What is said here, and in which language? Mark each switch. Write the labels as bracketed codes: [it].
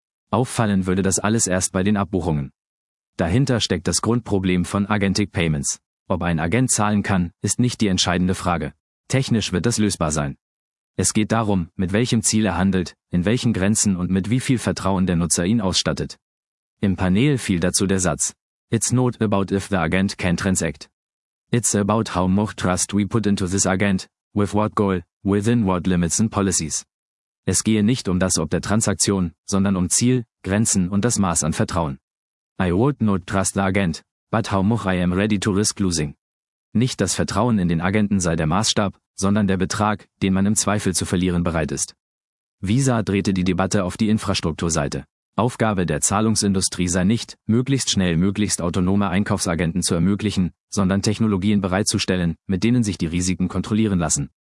[de] Auffallen würde das alles erst bei den Abbuchungen. Dahinter steckt das Grundproblem von Agentic Payments. Ob ein Agent zahlen kann, ist nicht die entscheidende Frage. Technisch wird das lösbar sein. Es geht darum, mit welchem Ziel er handelt, in welchen Grenzen und mit wie viel Vertrauen der Nutzer ihn ausstattet. Im Panel fiel dazu der Satz: [en] It's not about if the agent can transact. It's about how much trust we put into this agent, with what goal, within what limits and policies. [de] Es gehe nicht um das ob der Transaktion, sondern um Ziel, Grenzen und das Maß an Vertrauen. [en] I would not trust the agent, but how much I am ready to risk losing. [de] Nicht das Vertrauen in den Agenten sei der Maßstab, sondern der Betrag, den man im Zweifel zu verlieren bereit ist. Visa drehte die Debatte auf die Infrastrukturseite. Aufgabe der Zahlungsindustrie sei nicht, möglichst schnell möglichst autonome Einkaufsagenten zu ermöglichen, sondern Technologien bereitzustellen, mit denen sich die Risiken kontrollieren lassen.